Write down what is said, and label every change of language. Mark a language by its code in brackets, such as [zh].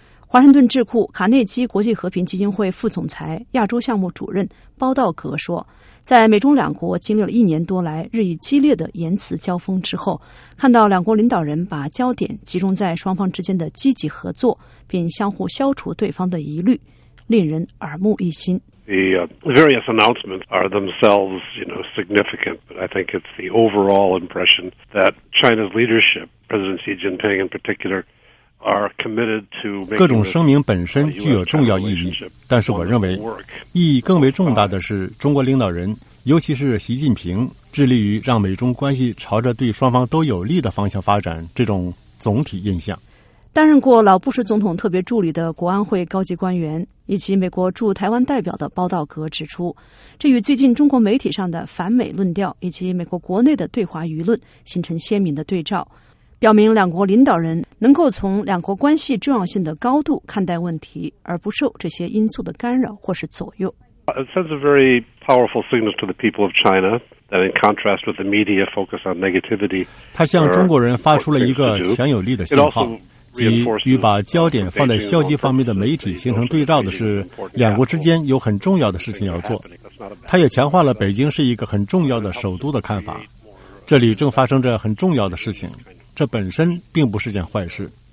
[zh] 华盛顿智库卡内基国际和平基金会副总裁、亚洲项目主任包道格说，在美中两国经历了一年多来日益激烈的言辞交锋之后，看到两国领导人把焦点集中在双方之间的积极合作，并相互消除对方的疑虑，令人耳目一新。 [en] The various announcements are themselves, you know, significant, but I think it's the overall impression that China's leadership, President Xi Jinping in particular, are committed to making. [zh] 各种声明本身具有重要意义，但是我认为意义更为重大的是中国领导人，尤其是习近平，致力于让美中关系朝着对双方都有利的方向发展这种总体印象。担任过老布什总统特别助理的国安会高级官员以及美国驻台湾代表的包道格指出，这与最近中国媒体上的反美论调以及美国国内的对华舆论形成鲜明的对照，表明两国领导人能够从两国关系重要性的高度看待问题，而不受这些因素的干扰或是左右。 [en] It sends a very powerful signal to the people of China that, in contrast with the media focus on negativity, [zh] 它向中国人发出了一个强有力的信号。即与把焦点放在消极方面的媒体形成对照的是，两国之间有很重要的事情要做。它也强化了北京是一个很重要的首都的看法。这里正发生着很重要的事情，这本身并不是件坏事。